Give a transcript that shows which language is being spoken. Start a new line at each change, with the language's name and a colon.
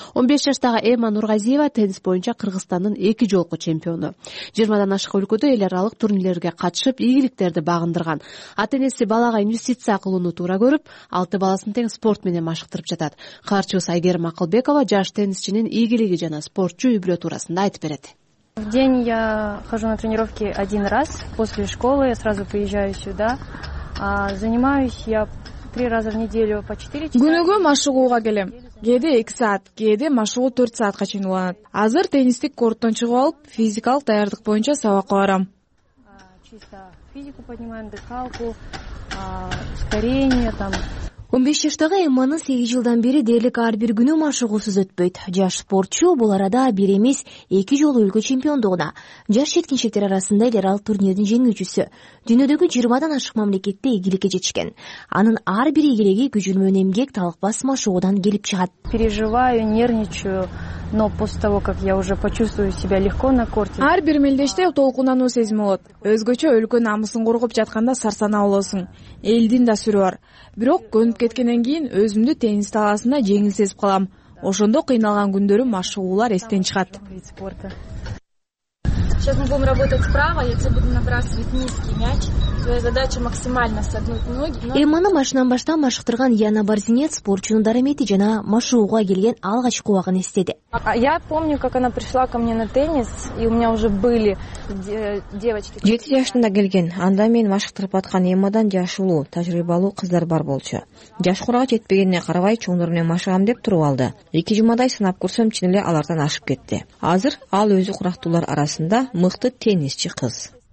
Kyrgyz: 15 жаштагы Эйман Нургазиева теннис боюнча Кыргызстандын 2 жолку чемпиону. 20 ашык өлкөдө эл аралык турнирлерге катышып, ийгиликтерди багындырган. Ата-энеси балага инвестиция кылууну туура көрүп, 6 баласын тең спорт менен машыктырып жатат. Каарчыбыз Айгерим Акылбекова жаш теннисчинин ийгилиги жана спортчу үй-бүлө туурасында айтып берет.
Russian: В день я хожу на тренировки один раз, после школы я сразу приезжаю сюда. А занимаюсь я 3 раза в неделю по 4 часа.
Kyrgyz: Күнүгө машыгууга келем. Кээде 2 саат, кээде машыгуу 4 саатка чейин уланат. Азыр теннистик корттон чыгып алып, физикалык даярдык боюнча сабакка барам.
Russian: Чисто физику поднимаем, дыхалку, ускорение там.
Kyrgyz: 15 жаштагы Эмманын 8 жылдан бери дээрлик ар бир күнү машыгуусуз өтпөйт. Жаш спортчу бул арада бир эмес 2 жолу өлкө чемпиондугуна, жаш жеткинчектер арасында эл аралык турнирдин жеңүүчүсү, дүйнөдөгү 20 ашык мамлекетте ийгиликке жетишкен. Анын ар бир ийгилиги күжүрмөөн эмгек, талкбас машыгуудан келип чыгат.
Russian: Переживаю, нервничаю, но после того как я уже почувствую себя легко на корте.
Kyrgyz: Ар бир мелдеште толкунануу сезими болот. Өзгөчө өлкө намысын коргоп жатканда сарсана болосуң. Элдин да сүрү бар. Бирок көнүп кеткенден кийин өзүмдү теннис талаасында жеңил сезип калам. Ошондо кыйналган күндөрүм машыгуулар эстен чыгат.
Russian: Сейчас мы будем работать справа, я тебе буду набрасывать низкий мяч. Твоя задача максимально согнуть ноги.
Kyrgyz: Эмманы машынан баштан машыктырган Яна Барзинец спортчунун дарамети жана машыгууга келген алгачкы убагын эстеди.
Russian: Я помню, как она пришла ко мне на теннис, и у меня уже были девочки.
Kyrgyz: 7 жашында келген, анда мен машыктырып аткан Эммадан жаш улуу, тажрыйбалуу кыздар бар болчу. Жаш курага жетпегенине карабай, чоңдор менен машыгам деп туруп алды. 2 жумадай сынап көрсөм, чын эле алардан ашып кетти. Азыр ал өзү курактуулар арасында мыкты теннисчи кыз.